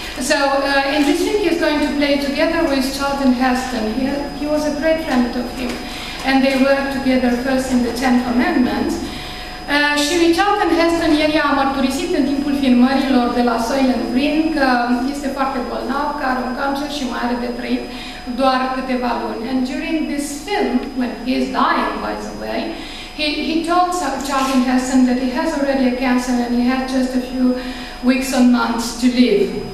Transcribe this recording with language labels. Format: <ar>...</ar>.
<en>So, in this film he is going to play together with Charlton Heston. He was a great friend of him. And they worked together first in the Ten Commandments.</en> <ro>Și lui Charlton Heston, el i-a mărturisit în timpul filmărilor de la Soylent Green că este foarte bolnav, că are un cancer și mai are de trăit doar câteva luni.</ro> <en>And during this film, when he is dying, by the way, he told Charlton Heston that he has already a cancer and he has just a few weeks and months to live.</en>